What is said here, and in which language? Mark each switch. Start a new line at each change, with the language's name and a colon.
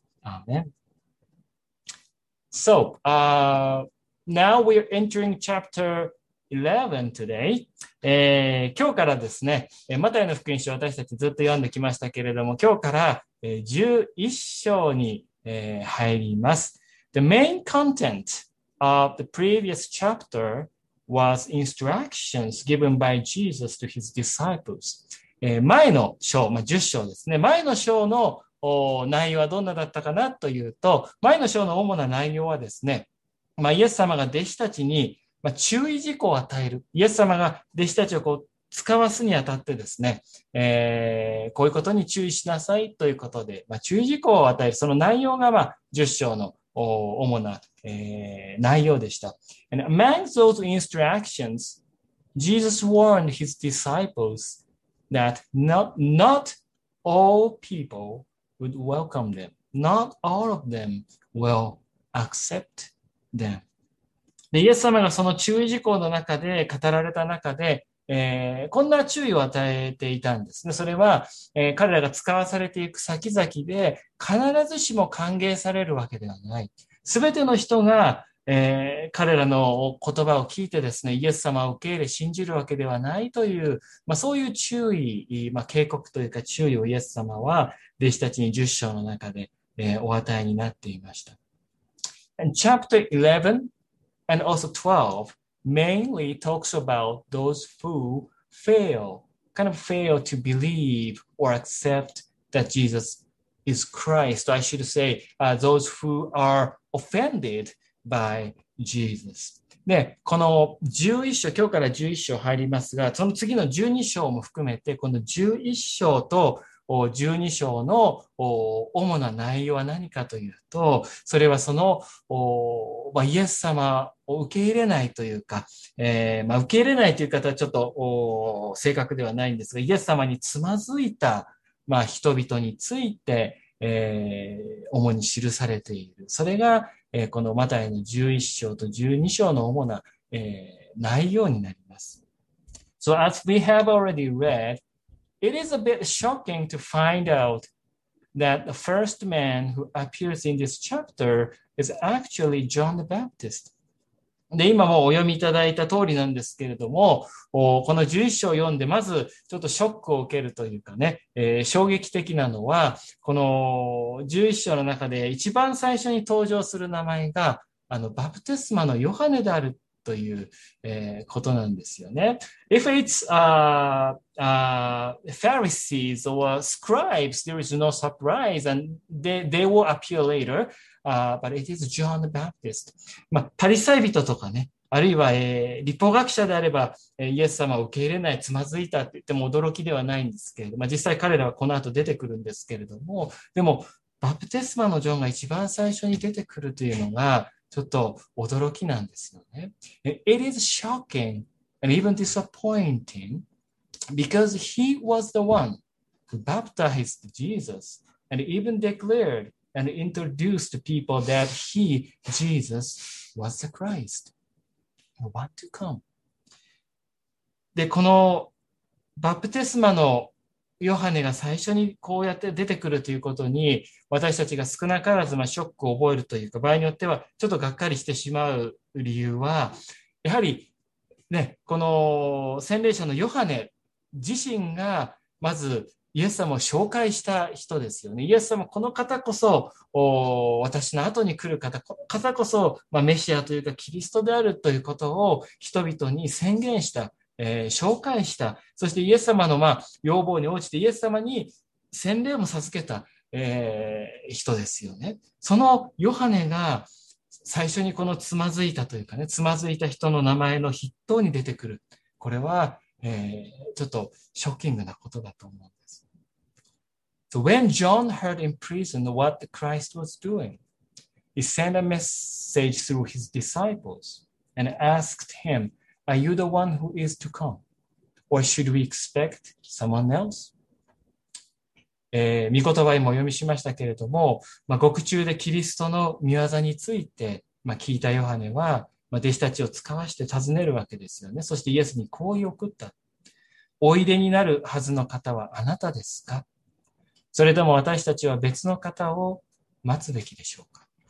English: アーメン。So, now we are entering chapter 11 today.
Japanese: 今日からですね、マタイの福音書私たちずっと読んできましたけれども、今日から11章に入ります。
English: The main content of the previous chapter was instructions given by Jesus to his disciples.
Japanese: 前の章、まあ、10章ですね。前の章の内容はどんなだったかなというと、前の章の主な内容はですね、まあ、イエス様が弟子たちに注意事項を与える。イエス様が弟子たちをこう使わすにあたってですね、こういうことに注意しなさいということで、まあ、注意事項を与える。その内容がまあ10章の主な、内容でした。
English: And among those instructions, Jesus warned his disciples that not all people would welcome them. Not all of them will accept them.
Japanese: で、イエス様がその注意事項の中で語られた中で、こんな注意を与えていたんですね。それは、彼らが使わされていく先々で必ずしも歓迎されるわけではない。すべての人が、彼らの言葉を聞いてですね、イエス様を受け入れ信じるわけではないという、まあ、そういう注意、まあ、警告というか注意をイエス様は弟子たちに十章の中で、お与えになっていました。
English: And chapter 11 and also 12mainly talks about those who fail to believe or accept that Jesus is Christ. I should say, those who are offended by Jesus.
Japanese: で、この11章、今日から11章入りますが、その次の12章も含めて、この11章と12章の主な内容は何かというと、それはその、まあ、イエス様を受け入れないというか、まあ、受け入れないという方はちょっと正確ではないんですが、イエス様につまずいた、まあ、人々について、主に記されている。それが、このマタイの11章と12章の主な、内容になります。
English: So as we have already read,It is a bit shocking to find out that the first man who appears in this chapter is actually John the Baptist.
Japanese: で、今もお読みいただいた通りなんですけれども、この11章を読んで、まずちょっとショックを受けるというかね、衝撃的なのは、この11章の中で一番最初に登場する名前が、バプテスマのヨハネであるという、ことなんですよね。
English: If it's Pharisees or scribes, there is no surprise, and they will appear later. But it is John the Baptist.
Japanese: まあ、パリサイ人とかね、あるいは、律法学者であれば、イエス様を受け入れない、つまずいたって言っても驚きではないんですけれども、まあ、実際彼らはこの後出てくるんですけれども、でも、バプテスマのジョンが一番最初に出てくるというのが、ちょっと驚きなんですよね。
English: It is shocking and even disappointing because he was the one who baptized Jesus and even declared and introduced people that he, Jesus, was the Christ, the one to come.
Japanese: で、このバプテスマのヨハネが最初にこうやって出てくるということに、私たちが少なからずまあショックを覚えるというか、場合によってはちょっとがっかりしてしまう理由は、やはりね、この洗礼者のヨハネ自身がまずイエス様を紹介した人ですよね。イエス様、この方こそ私の後に来る方、この方こそ、まあ、メシアというかキリストであるということを人々に宣言した、紹介した、そしてイエス様の、まあ、要望に応じてイエス様に洗礼も授けた、人ですよね。そのヨハネが最初にこのつまずいたというかね、つまずいた人の名前の筆頭に出てくる、これは、ちょっとショッキングなことだと思うんです。
English: So when John heard in prison what Christ was doing, he sent a message through his disciples and asked him, Are you the one who is to come? Or should we expect someone else?
Japanese: 御言葉にも読みしましたけれども、まあ、獄中でキリストの御業について、まあ、聞いたヨハネは、まあ、弟子たちを使わして尋ねるわけですよね。そしてイエスにこう言った。おいでになるはずの方はあなたですか？それとも私たちは別の方を待つべきでしょうか？